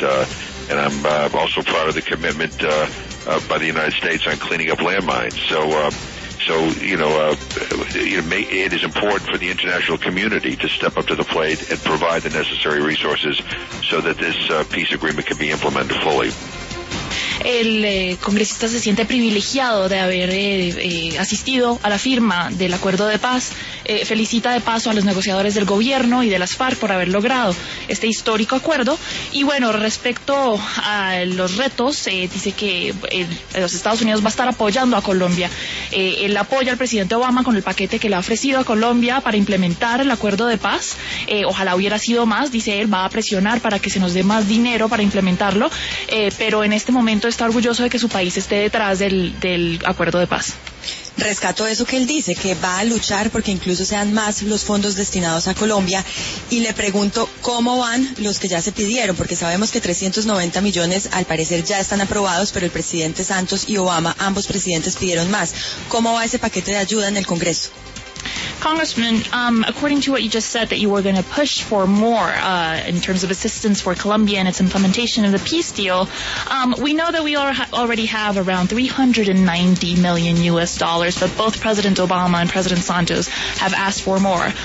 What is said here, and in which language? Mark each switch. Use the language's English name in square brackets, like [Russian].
[English] And I'm also proud of the commitment by the United States on cleaning up landmines. It is important for the international community to step up to the plate and provide the necessary resources so that this peace agreement can be implemented fully. [Spanish] El congresista se siente privilegiado de haber asistido a la firma del acuerdo de paz. Felicita de paso a los negociadores del gobierno y de las FARC por haber logrado este histórico acuerdo. Y bueno, respecto a los retos, dice que los Estados Unidos va a estar apoyando a Colombia. Él apoya al presidente Obama con el paquete que le ha ofrecido a Colombia para implementar el acuerdo de paz. Ojalá hubiera sido más, dice él, va a presionar para que se nos dé más dinero para implementarlo. Pero en este momento está orgulloso de que su país esté detrás del acuerdo de paz. Rescato eso que él dice, que va a luchar porque incluso sean más los fondos destinados a Colombia, y le pregunto cómo van los que ya se pidieron, porque sabemos que 390 millones al parecer ya están aprobados, pero el presidente Santos y Obama, ambos presidentes, pidieron más. ¿Cómo va ese paquete de ayuda en el Congreso? [English] Congressman, according to what you just said, that you were going to push for more in terms of assistance for Colombia and its implementation of the peace deal, we know that we already have around $390 million, but both President Obama and President Santos have asked for more.